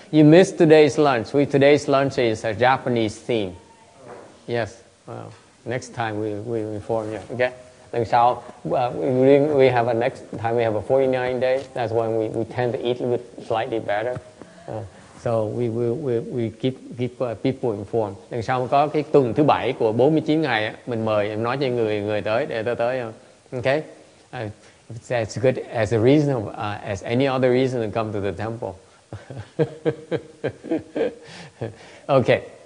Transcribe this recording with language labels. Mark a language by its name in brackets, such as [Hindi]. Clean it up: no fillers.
[English] You missed today's lunch. Today's lunch is a Japanese theme. Yes. Well, next time we inform you. Okay. [Vietnamese] Lần sau, [English] we have a next time we have a 49 day. That's when we tend to eat a bit slightly better. So we keep people informed. [Vietnamese] Lần sau có cái tuần thứ bảy của 49 ngày mình mời em nói cho người tới để tôi tới. [English] Okay? It's as good as a reason as any other reason to come to the temple. Okay.